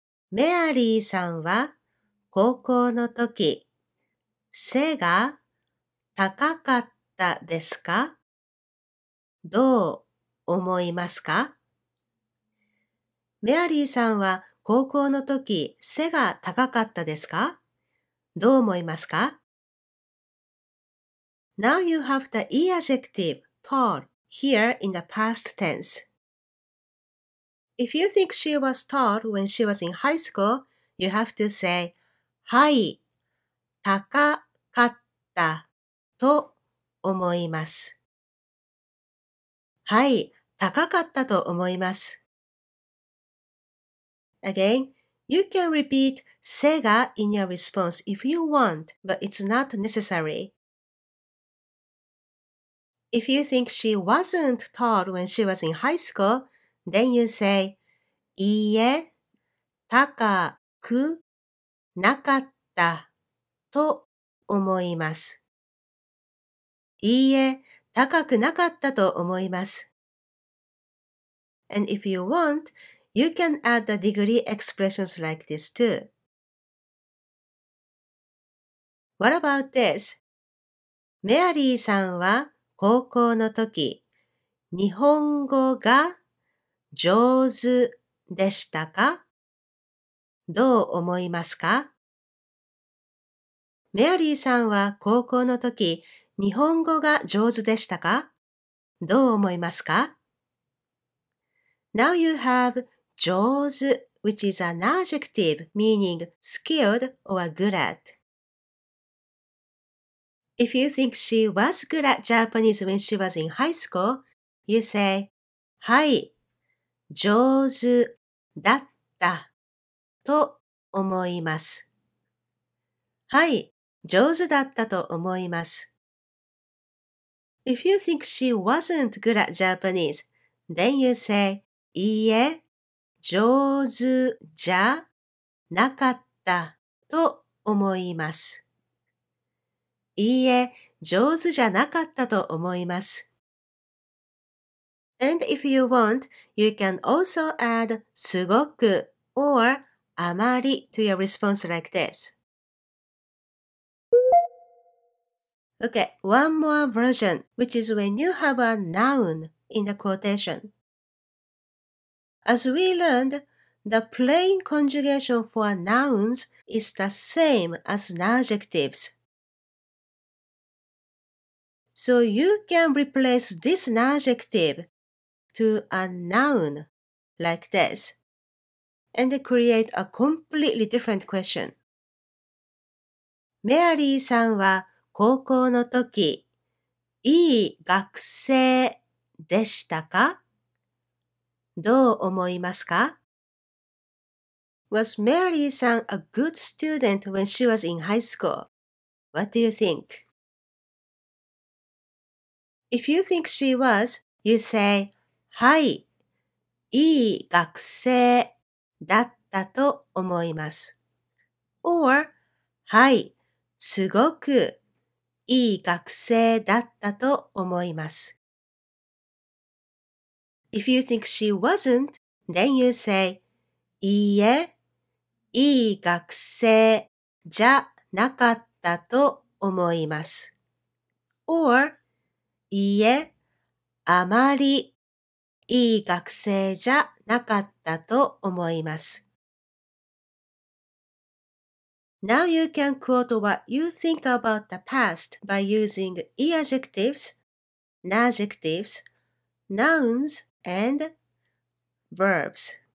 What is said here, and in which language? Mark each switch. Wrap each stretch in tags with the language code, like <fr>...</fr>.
<ja>メアリーさんは高校の時、背が高かったですか？どう思いますか？メアリーさんは高校の時、背が高かったですか？どう思いますか？</ja> <en>Now you have the E adjective tall here in the past tense. If you think she was tall when she was in high school, you have to say,</en> <ja>はい、高かったと思います。はい、高かったと思います。</ja> <en>Again, you can repeat せが in your response if you want, but it's not necessary. If you think she wasn't tall when she was in high school, then you say</en> <ja>いいえ、高くなかったと思います。いいえ、高くなかったと思います。</ja> <en>And if you want,You can add the degree expressions like this too. What about this?</en> <ja>メアリーさんは高校の時、日本語が上手でしたか？どう思いますか？メアリーさんは高校の時、日本語が上手でしたか？どう思いますか？</ja> <en>Now you have 上手 which is an adjective meaning skilled or good at. If you think she was good at Japanese when she was in high school, you say,</en> <ja>はい、上手だったと思います。はい、上手だったと思います。</ja> <en>If you think she wasn't good at Japanese, then you say,</en> <ja>いいえ、上手じゃなかったと思います。いいえ、上手じゃなかったと思います。</ja> <en>And if you want, you can also add すごく or あまり to your response like this. Okay, one more version, which is when you have a noun in the quotation. As we learned, the plain conjugation for nouns is the same as adjectives. So you can replace this adjective to a noun like this and create a completely different question.</en> <ja>メアリーさんは高校の時、いい学生でしたか？どう思いますか?</ja> <en>Was Mary-san a good student when she was in high school? What do you think? If you think she was, you say,</en> <ja>はい、いい学生だったと思います。 Or, はい、すごくいい学生だったと思います。</ja> <en>If you think she wasn't, then you say,</en> <ja>いいえ、いい学生じゃなかったと思います。 Or, いいえ、あまりいい学生じゃなかったと思います。</ja> <en>Now you can quote what you think about the past by using e adjectives, adjectives, nouns,and verbs.</en>